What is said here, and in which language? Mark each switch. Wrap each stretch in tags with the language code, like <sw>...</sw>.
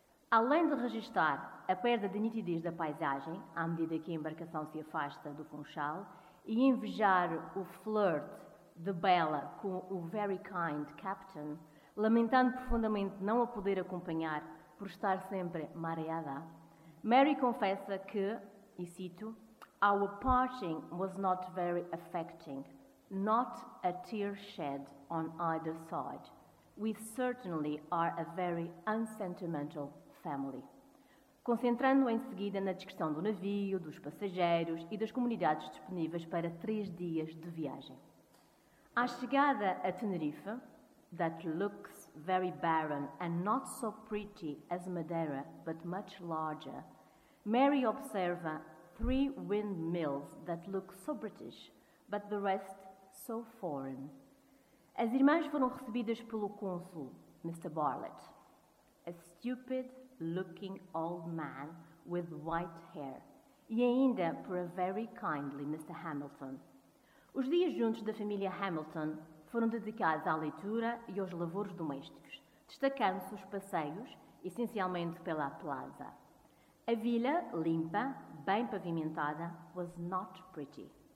<pt>Além de registar a perda de nitidez da paisagem, à medida que a embarcação se afasta do Funchal, e invejar o flirt de Bella com o</pt> <en>very kind captain,</en> <pt>lamentando profundamente não a poder acompanhar por estar sempre mareada, Mary confessa que, e cito,</pt> <en>"Our parting was not very affecting, not a tear shed on either side. We certainly are a very unsentimental family."</en> <pt>Concentrando-se em seguida na descrição do navio, dos passageiros e das comunidades disponíveis para 3 dias de viagem. À chegada a Tenerife,</pt> <en>"that looks very barren and not so pretty as Madeira, but much larger,"</en> <pt>Mary observa</pt> <en>3 windmills that look so British, but the rest so foreign.</en> <pt>As irmãs foram recebidas pelo cônsul, Mr. Bartlett,</pt> <en>a stupid-looking old man with white hair,</en> <pt>e ainda por</pt> <en>a very kindly</en> <pt>Mr. Hamilton. Os dias juntos da família Hamilton foram dedicados à leitura e aos lavores domésticos, destacando-se os passeios, essencialmente pela plaza. A vila, limpa, bem pavimentada,</pt> <en>was not pretty.</en>